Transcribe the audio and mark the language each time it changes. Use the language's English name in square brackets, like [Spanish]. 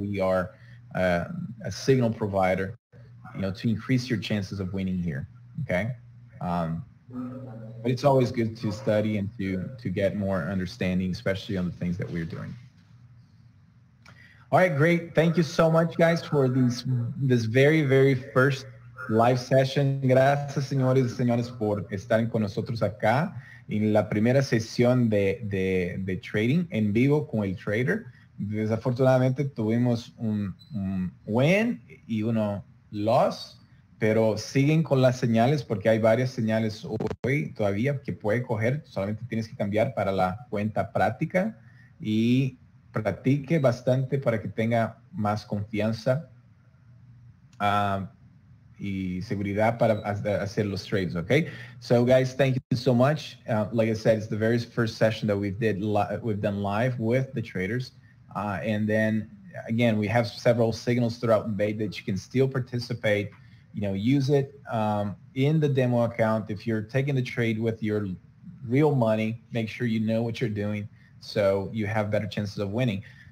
[English] We are a signal provider, you know, to increase your chances of winning here, okay? But it's always good to study and to get more understanding, especially on the things that we're doing. All right, great. Thank you so much, guys, for this very, very first live session. [Spanish] Gracias, señores y señores, por estar con nosotros acá en la primera sesión de trading en vivo con el trader. Desafortunadamente, tuvimos un win y uno loss. Pero siguen con las señales porque hay varias señales hoy todavía que puede coger. Solamente tienes que cambiar para la cuenta práctica y practique bastante para que tenga más confianza y seguridad para hacer los trades, okay? [English] So guys, thank you so much. Like I said, it's the very first session that we've done live with the traders. And then again, we have several signals throughout the day that you can still participate. You know, use it in the demo account. If you're taking the trade with your real money, make sure you know what you're doing so you have better chances of winning.